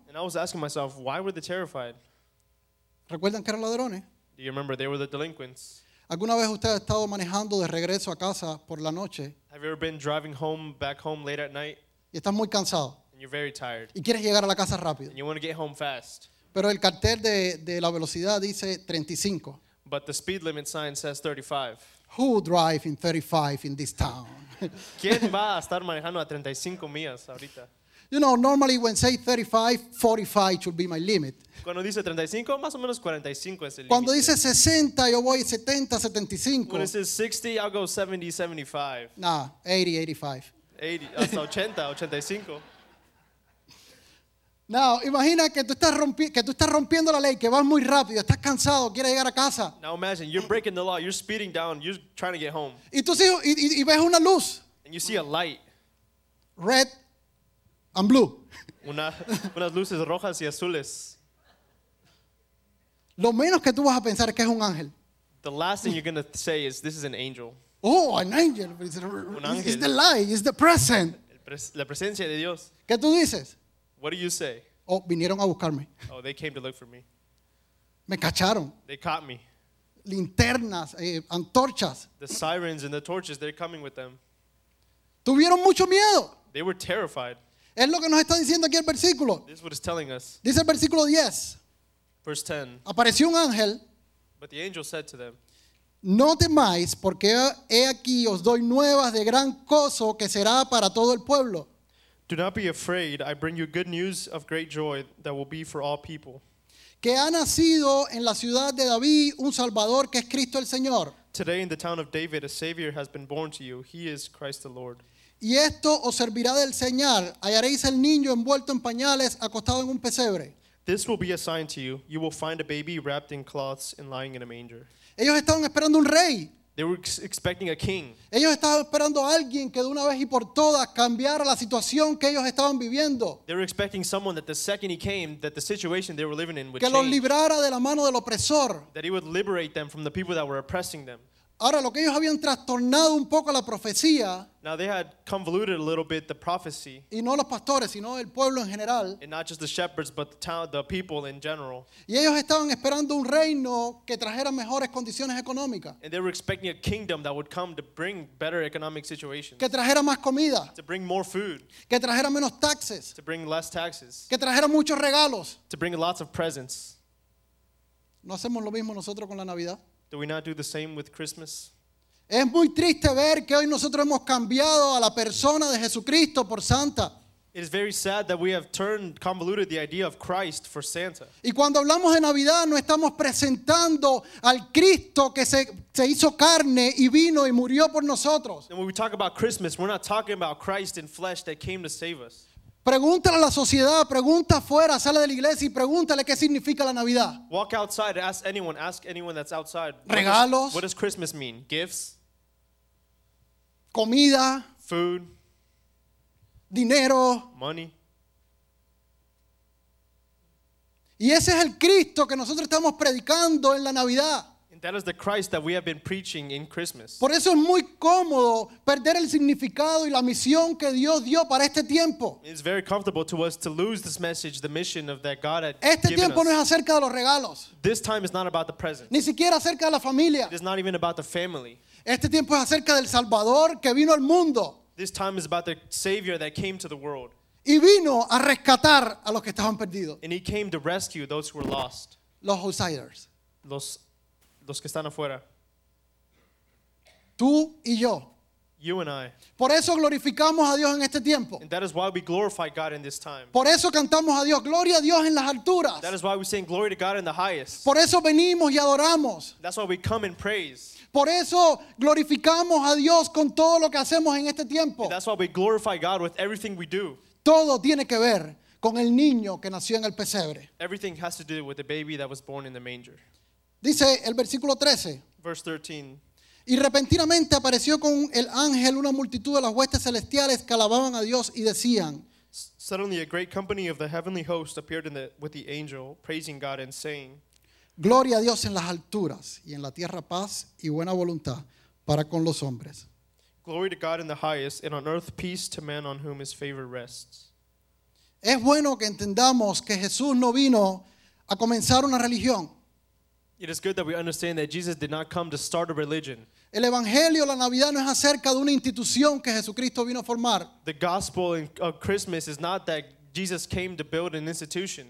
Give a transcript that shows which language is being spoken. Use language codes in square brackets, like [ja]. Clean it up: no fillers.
[en] And I was asking myself, why were they terrified? [es] ¿Recuerdan que eran ladrones? [en] Do you remember they were the delinquents? [es] ¿Alguna vez usted ha estado manejando de regreso a casa por la noche? [en] Have you ever been driving home, back home late at night? [es] Y estás muy cansado. [en] And you're very tired. [es] Y quieres llegar a la casa rápido. [en] And you want to get home fast. [es] Pero el cartel de la velocidad dice 35. [en] But the speed limit sign says 35. Who drive in 35 in this town? [es] ¿Quién va a estar manejando a 35 millas ahorita? [en] You know, normally when say 35, 45 should be my limit. [es] Cuando dice 35, más o menos 45 es el límite. Cuando dice 60, yo voy 70, 75. [en] When it says 60, I'll go 70, 75. Nah, 80, 85. [es] 80, hasta 80, 85. [en] Now, [es] imagina que tú estás rompiendo la ley, que vas muy rápido, estás cansado, quieres llegar a casa. [en] Now imagine, you're breaking the law, you're speeding down, you're trying to get home. [es] Y tus hijos, y ves una luz. [en] And you see a light. Red and blue. [es] Unas luces rojas y azules. Lo menos que tú vas a pensar es que es un ángel. [en] The last thing you're going to say is, this is an angel. Oh, an angel. It's the light, it's the present. [es] La presencia de Dios. ¿Qué tú dices? [en] What do you say? [es] Oh, vinieron a buscarme. [en] Oh, they came to look for me. [es] Me cacharon. [en] They caught me. [es] Linternas, antorchas. [en] The sirens and the torches, they're coming with them. [es] Tuvieron mucho miedo. [en] They were terrified. [es] Es lo que nos está diciendo aquí el versículo. [en] This is what it's telling us. [es] Dice el versículo 10. [en] Verse 10. [es] Apareció un ángel. [en] But the angel said to them, [es] no temáis, porque he aquí os doy nuevas de gran gozo que será para todo el pueblo. [en] Do not be afraid, I bring you good news of great joy that will be for all people. [es] Que ha nacido en la ciudad de David un Salvador que es Cristo el Señor. [en] Today in the town of David a Savior has been born to you, he is Christ the Lord. [es] Y esto os servirá del señal, hallaréis el niño envuelto en pañales, acostado en un pesebre. [en] This will be a sign to you, you will find a baby wrapped in cloths and lying in a manger. [es] Ellos estaban esperando un rey. [en] They were expecting a king. [es] Ellos estaban esperando a alguien que de una vez y por todas cambiara la situación que ellos estaban viviendo. [en] They were expecting someone that the second he came, that the situation they were living in would change. [es] Que los librara de la mano del opresor. [en] That he would liberate them from the people that were oppressing them. [es] Ahora, lo que ellos habían trastornado un poco la profecía. [en] Now they had convoluted a little bit the prophecy. [es] Y no los pastores, sino el pueblo en general. [en] And not just the shepherds, but the town, the people in general. [es] Y ellos estaban esperando un reino que trajera mejores condiciones económicas. [en] And they were expecting a kingdom that would come to bring better economic situations. [es] Que trajera más comida. [en] To bring more food. [es] Que trajera menos taxes. [en] To bring less taxes. [es] Que trajera muchos regalos. [en] To bring lots of presents. [es] ¿No hacemos lo mismo nosotros con la Navidad? [en] Do we not do the same with Christmas? [es] Es muy triste ver que hoy nosotros hemos cambiado a la persona de Jesucristo por Santa. [en] It is very sad that we have turned, convoluted the idea of Christ for Santa. [es] Y cuando hablamos de Navidad, no estamos presentando al Cristo que se hizo carne y vino y murió por nosotros. [en] And when we talk about Christmas, we're not talking about Christ in flesh that came to save us. [es] Pregúntale a la sociedad, pregunta afuera, sale de la iglesia y pregúntale qué significa la Navidad. [en] Walk outside, ask anyone that's outside. [es] Regalos. [en] What does Christmas mean? Gifts. [es] Comida. [en] Food. [es] Dinero. [en] Money. [es] Y ese es el Cristo que nosotros estamos predicando en la Navidad. [en] That is the Christ that we have been preaching in Christmas. [es] Por eso es muy cómodo perder el significado y la misión que Dios dio para este tiempo. [en] It's very comfortable to us to lose this message, the mission of that God had given us. [es] Este tiempo no es acerca de los regalos. [en] This time is not about the present. [es] Ni siquiera acerca de la familia. [en] It is not even about the family. [es] Este tiempo es acerca del Salvador que vino al mundo. [en] This time is about the Savior that came to the world. [es] Y vino a rescatar a los que estaban perdidos. [en] And he came to rescue those who were lost. [es] Los outsiders. Los que están afuera. Tú y yo. [en] You and I. [es] Por eso glorificamos a Dios en este tiempo. [en] And that is why we glorify God in this time. [es] Por eso cantamos a Dios, gloria a Dios en las alturas. [en] That is why we sing glory to God in the highest. [es] Por eso venimos y adoramos. [en] That's why we come and praise. [es] Por eso glorificamos a Dios con todo lo que hacemos en este tiempo. [en] And that's why we glorify God with everything we do. [es] Todo tiene que ver con el niño que nació en el pesebre. [en] Everything has to do with the baby that was born in the manger. [es] Dice el versículo 13. [en] Verse 13. [es] Y repentinamente apareció con el ángel una multitud de las huestes celestiales que alababan a Dios y decían. [en] Suddenly a great company of the heavenly host appeared with the angel, praising God and saying. [es] Gloria a Dios en las alturas y en la tierra paz y buena voluntad para con los hombres. [en] Glory to God in the highest, and on earth peace to men on whom his favor rests. [es] Es bueno que entendamos que Jesús no vino a comenzar una religión. [en] It is good that we understand that Jesus did not come to start a religion. [es] El evangelio, la Navidad, no es acerca de una institución que Jesucristo vino a formar. [en] The gospel of Christmas is not that Jesus came to build an institution.